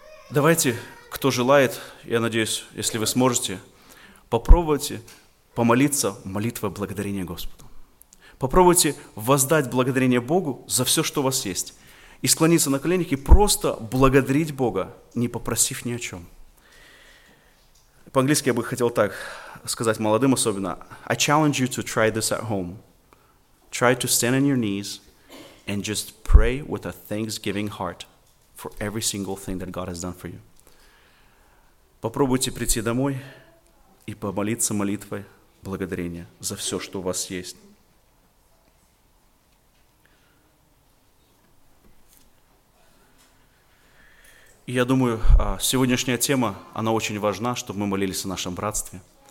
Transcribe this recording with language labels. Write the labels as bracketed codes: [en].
[ru] Давайте, кто желает, я надеюсь, если вы сможете, попробуйте помолиться молитвой благодарения Господу. Попробуйте воздать благодарение Богу за все, что у вас есть, и склониться на коленях и просто благодарить Бога, не попросив ни о чем. По-английски я бы хотел так сказать молодым особенно. [en] I challenge you to try this at home. Try to stand on your knees and just pray with a thanksgiving heart for every single thing that God has done for you. [ru] Попробуйте прийти домой и помолиться молитвой благодарения за все, что у вас есть. И я думаю, сегодняшняя тема, она очень важна, чтобы мы молились о нашем братстве.